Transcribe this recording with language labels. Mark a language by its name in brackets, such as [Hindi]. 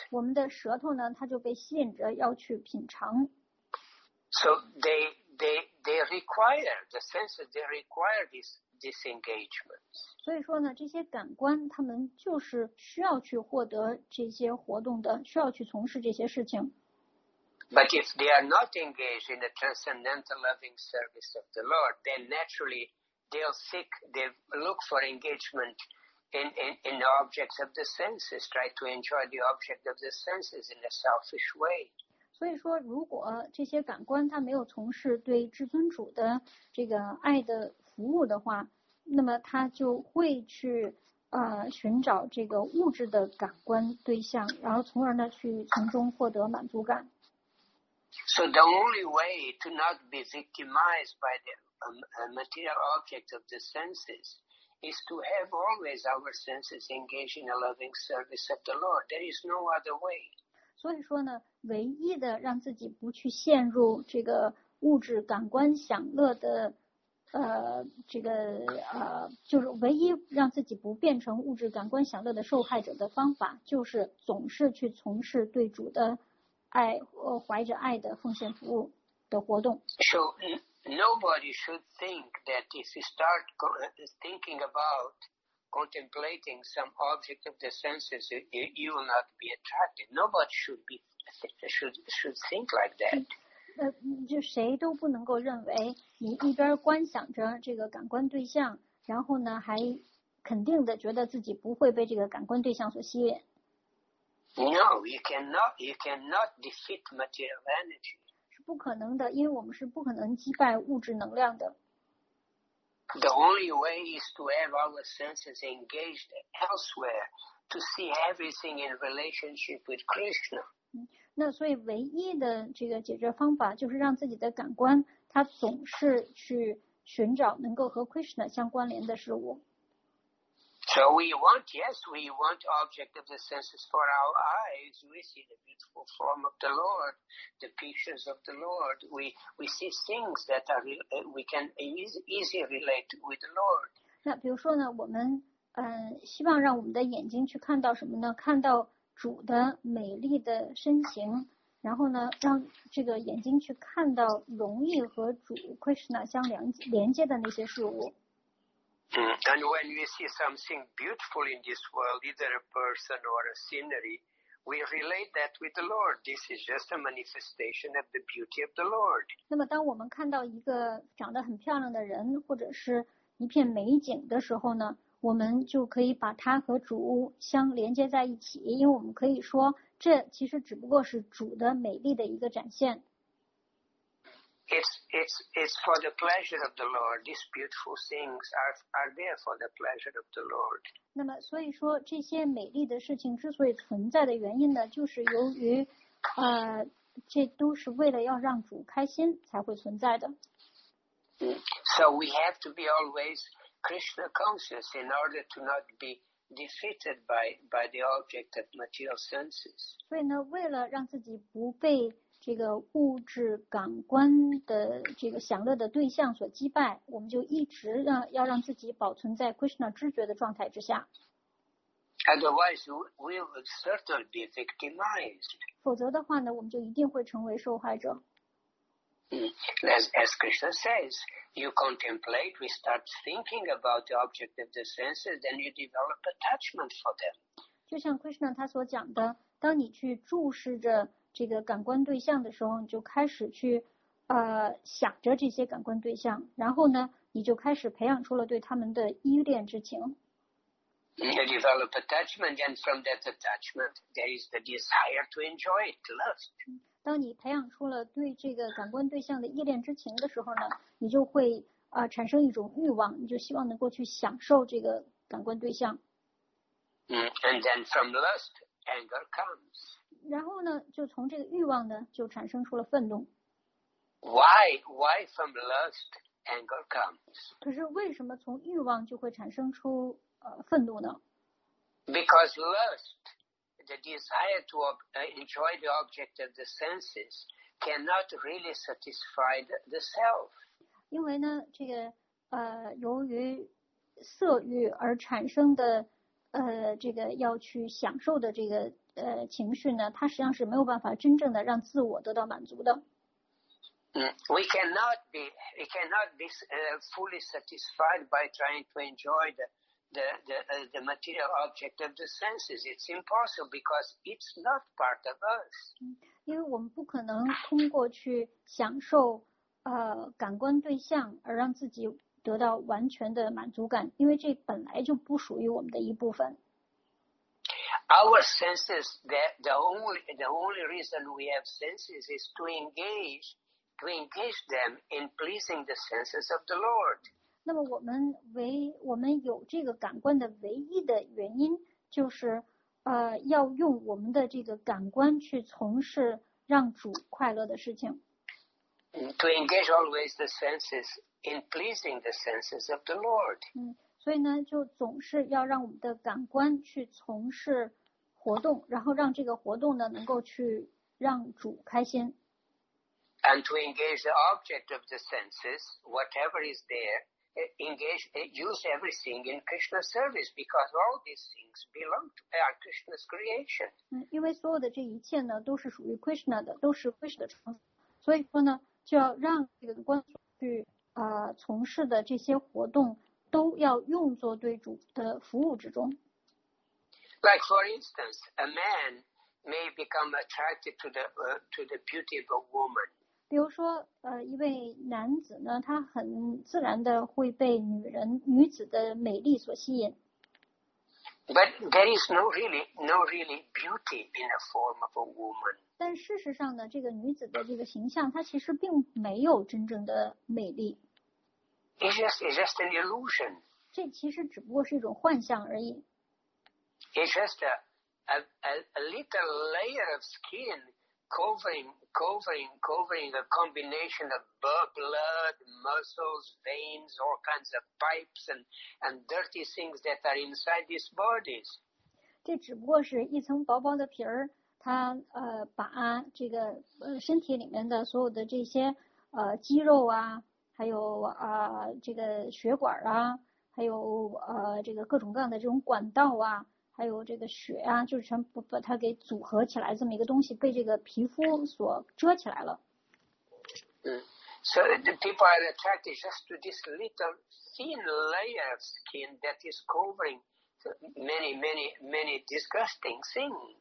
[Chinese] 我们的舌头呢，它就被吸引着要去品尝。 [English] So they require the senses. They require these engagements. [Chinese] 所以说呢，这些感官他们就是需要去获得这些活动的，需要去从事这些事情。 [English] But if they are not engaged in the transcendental loving service of the Lord, then naturally they look for engagement in the objects of the senses, try to enjoy the object of the senses in a selfish way. [Chinese] 所以说，如果这些感官它没有从事对至尊主的这个爱的服务的话，那么他就会去寻找这个物质的感官对象，然后从而呢去从中获得满足感。 [English] So the only way to not be victimized by the material objects of the senses is to have always our senses engaged in a loving service of the Lord. There is no other way. [Chinese] 所以说呢，唯一的让自己不去陷入这个物质感官享乐的就是唯一让自己不变成物质感官享乐的受害者的方法，就是总是去从事对主的爱，怀着爱的奉献服务的活动。 [English] So nobody should think that if you start thinking about contemplating some object of the senses, you will not be attracted. Nobody should think like that. [Chinese] 就谁都不能够认为你一边观想着这个感官对象，然后呢还肯定的觉得自己不会被这个感官对象所吸引。 [English] No, you cannot defeat material energy. [Chinese] 是不可能的，因为我们是不可能击败物质能量的。 [English] The only way is to have our senses engaged elsewhere to see everything in relationship with Krishna. [Chinese] 那所以唯一的这个解决方法就是让自己的感官它总是去寻找能够和 Krishna 相关联的事物。 [English] So we want, yes, we want object of the senses for our eyes. We see the beautiful form of the Lord, the pictures of the Lord. We see things that are, we can easily relate with the Lord. [Chinese] 那比如说呢，我们希望让我们的眼睛去看到什么呢？看到主的美丽的身形，然后呢，让这个眼睛去看到容易和主 Krishna 相连接的那些事物。 [English] And when we see something beautiful in this world, either a person or a scenery, we relate that with the Lord. This is just a manifestation of the beauty of the Lord. [Chinese] 那么当我们看到一个长得很漂亮的人或者是一片美景的时候呢，我们就可以把它和主相连接在一起，因为我们可以说这其实只不过是主的美丽的一个展现。 [English] It's for the pleasure of the Lord. These beautiful things are there for the pleasure of the Lord. [Chinese] 那么所以说这些美丽的事情之所以存在的原因呢，就是由于这都是为了要让主开心才会存在的。 [English] So we have to be always Krishna conscious in order to not be defeated by the object of material senses. [Chinese] 所以呢，为了让自己不被这个物质感官的这个享乐的对象所击败，我们就一直要让自己保存在 Krishna 知觉的状态之下。 [English] Otherwise, we would certainly be victimized. [Chinese] 否则的话呢，我们就一定会成为受害者。 [English] As Krishna says, you contemplate, we start thinking about the object of the senses, then you develop attachment for them. [Chinese] 就像 Krishna 他所讲的，当你去注视着这个感官对象的时候，你就开始去想着这些感官对象，然后呢你就开始培养出了对他们的依恋之情。 [English] You develop attachment, and from that attachment there is the desire to enjoy it, lust. [Chinese] 当你培养出了对这个感官对象的依恋之情的时候呢，你就会产生一种欲望，你就希望能够去享受这个感官对象。 [English] And then from lust, anger comes. [Chinese] 然后呢，就从这个欲望呢，就产生出了愤怒。 [English] Why from lust anger comes? [Chinese] 可是为什么从欲望就会产生出愤怒呢 [English] ？Because lust, the desire to enjoy the object of the senses, cannot really satisfy the self. [Chinese] 因为呢，这个由于色欲而产生的这个要去享受的这个情绪呢，它实际上是没有办法真正的让自我得到满足的。 [English] We cannot be fully satisfied by trying to enjoy the material object of the senses. It's impossible because it's not part of us. [Chinese] 因为我们不可能通过去享受感官对象而让自己得到完全的满足感，因为这本来就不属于我们的一部分。 [English] Our senses, the only reason we have senses is to engage them in pleasing the senses of the Lord. [Chinese] 那么我们有这个感官的唯一的原因就是要用我们的这个感官去从事让主快乐的事情。 [English] To engage always the senses in pleasing the senses of the Lord. [Chinese] 所以呢就总是要让我们的感官去从事活动，然后让这个活动呢能够去让主开心。 [English] And to engage the object of the senses, whatever is there, engage, use everything in Krishna's service because all these things belong to Krishna's creation. [Chinese] 因为所有的这一切呢都是属于 Krishna 的，都是 Krishna 的创造。所以说呢就要让这个观众去从事的这些活动都要用作对主的服务之中。 [English] Like for instance, a man may become attracted to the beauty of a woman. [Chinese] 比如说一位男子呢他很自然的会被女子的美丽所吸引。 [English] But there is no really beauty in the form of a woman. [Chinese] 但事实上呢这个女子的这个形象她其实并没有真正的美丽。 [English] It's just an illusion. [Chinese] 这其实只不过是一种幻象而已。 [English] It's just a little layer of skin covering a combination of blood, muscles, veins, all kinds of pipes and dirty things that are inside these bodies. [Chinese] 这只不过是一层薄薄的皮儿，它把这个身体里面的所有的这些肌肉啊，还有这个血管啊，还有这个各种各样的这种管道啊。还有这个血啊，就是全部把它给组合起来，这么一个东西被这个皮肤所遮起来了。 [English] So the people are attracted just to this little thin layer of skin that is covering many, many, many disgusting things.